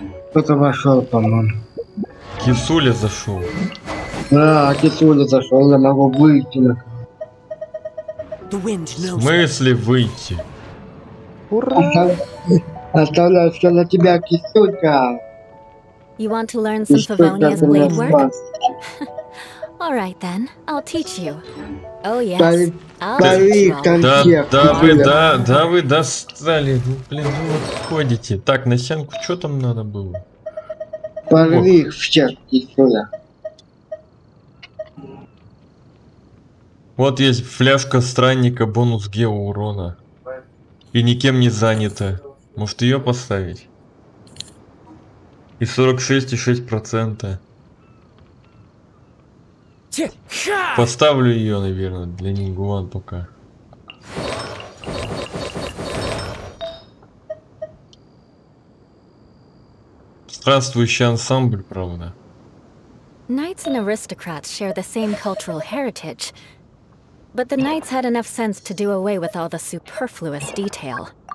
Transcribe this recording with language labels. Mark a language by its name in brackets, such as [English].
[Russian] Кто-то вошел, по-моему. Кисуля зашел. Да, кисуля зашел, я могу выйти. В смысле выйти? Ура! Оставляю все на тебя, кисулька. [English] You want to learn some Favonia's blade work? All right then, I'll teach you. Oh yes, I'll teach you. [Russian] Да, вы достали. Ну, блин, вы вот ходите. Так, на сянку что там надо было? Порви их всех, кисуля. Вот есть фляжка странника, бонус гео урона. И никем не занята. Может ее поставить? И 46,6%. Поставлю ее, наверное, для Нингуан пока. Странствующий ансамбль, правда. [English] Knights and aristocrats share the same cultural heritage. But the knights had enough sense to do away with all the superfluous detail.